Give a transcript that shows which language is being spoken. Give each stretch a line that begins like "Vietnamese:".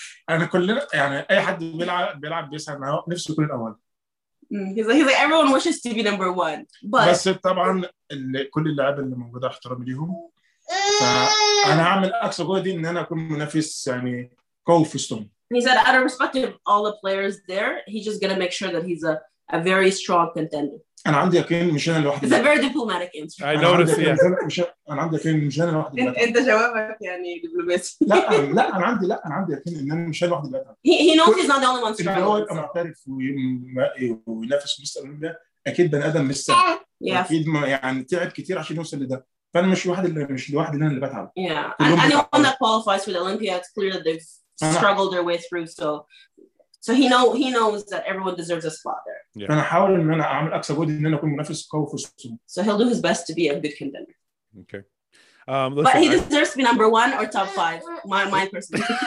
Arabic: أنا كلنا يعني أي حد بيلعب بيسعى معه نفسه كل الأول.
English: He's like everyone wishes to be number one, but.
Arabic: بس طبعاً كل اللعب اللي موجود احترام ليهم. فأنا عامل أقصى جهدي إن أنا أكون منافس يعني قوي في ستون.
English: He said, out of respect of all the players there, he's just gonna make sure that he's a very strong contender.
Arabic: أنا عندي يقين مش أنا لوحدي.
English: It's a very diplomatic answer. I noticed. Yeah.
Arabic: أنا عندي يقين مش أنا لوحدي. أنت جوابك يعني دبلوماسي. لا أنا عندي يقين إن أنا مش أنا لوحدي.
English: He knows he's not the only one struggling.
Arabic: اللي هو يبقى معترف وينافس مستر أولمبيا أكيد بني آدم مستر. Yeah. أكيد يعني تعب كتير عشان يوصل لده. فأنا مش لوحدي أنا اللي بتعب.
English: Yeah. And anyone that qualifies for the Olympia, it's clear that they've struggled their way through. So he knows that everyone deserves a spot there. Yeah. So he'll do his best to be a good contender. Okay. Listen, but he deserves to be number one or top five. My personal.